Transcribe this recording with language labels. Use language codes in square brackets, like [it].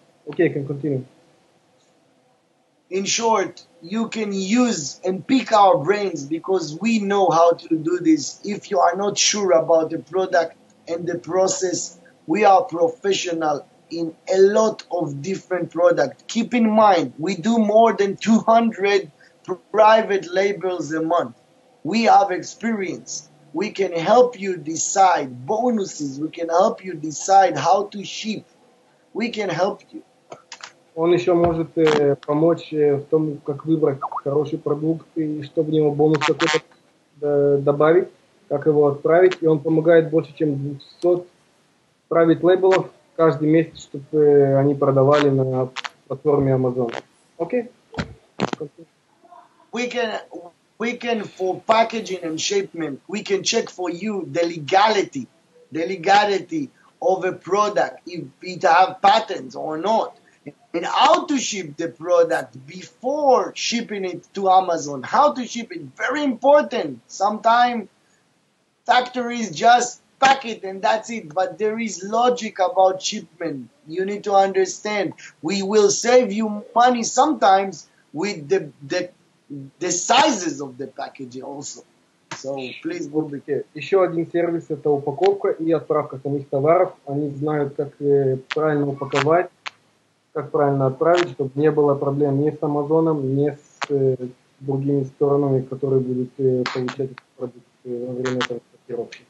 [en] Okay, can continue. In short, you can use and pick our brains because we know how to do this. If you are not sure about the product and the process, we are professional in a lot of different products. Keep in mind, we do more than 200 private labels a month. We have experience. We can help you decide bonuses. We can help you decide how to ship. We can help you. [ru] Он еще может помочь в том, как выбрать хороший продукт и что в него бонус какой-то добавить, как его отправить. И он помогает больше, чем 200 private labels каждый месяц, чтобы они продавали на платформе Amazon. Окей? [en] We can for packaging and shipment, we can check for you the legality of a product, if it have patents or not, and how to ship the product before shipping it to Amazon, how to ship it, very important. Sometimes factories just pack it and that's it, but there is logic about shipment. You need to understand, we will save you money sometimes with the sizes of the packaging also. So please, Bobby. [ru] Еще один сервис – это упаковка и отправка самих товаров. Они знают, как правильно упаковать, как правильно отправить, чтобы не было проблем ни с Амазоном, ни с другими сторонами, которые будут получать продукт во время транспортировки.